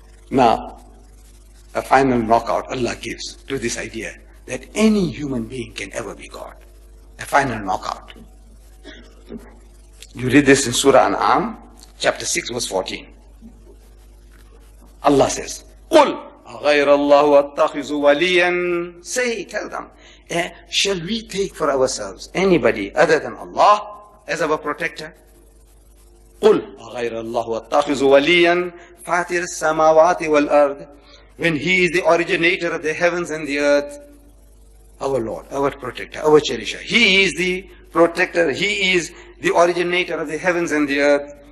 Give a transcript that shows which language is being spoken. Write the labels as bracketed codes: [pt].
[en] Now, a final knockout Allah gives to this idea that any human being can ever be God. A final knockout. You read this in Surah An'am, chapter 6, verse 14. Allah says, [ar] قُلْ أَغَيْرَ اللَّهُ أَتَّخِذُ وَلِيًّا. [en] Say, tell them, shall we take for ourselves anybody other than Allah as our protector? [ar] قُلْ أَغَيْرَ اللَّهُ أَتَّخِذُ وَلِيًّا فَاتِرْ السَّمَوَاتِ وَالْأَرْضِ. [en] When he is the originator of the heavens and the earth, our Lord, our protector, our cherisher, he is the protector, he is the originator of the heavens and the earth.